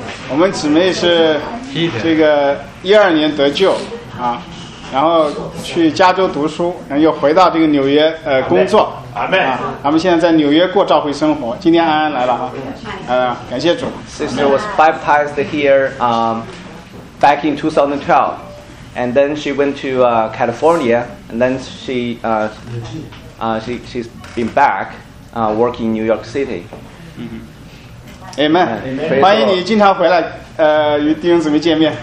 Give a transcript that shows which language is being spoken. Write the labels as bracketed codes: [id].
[zh] 我们姊妹是这个一二年得救啊，然后去加州读书，然后又回到这个纽约工作。 [en] Amen. [zh] 他们现在在纽约过召会生活。今天安安来了哈，感谢主。 [en] Sister was baptized here, back in 2012, and then she went to California, and then she's been back, working in New York City. Amen. [zh] 欢迎你经常回来，与弟兄姊妹见面。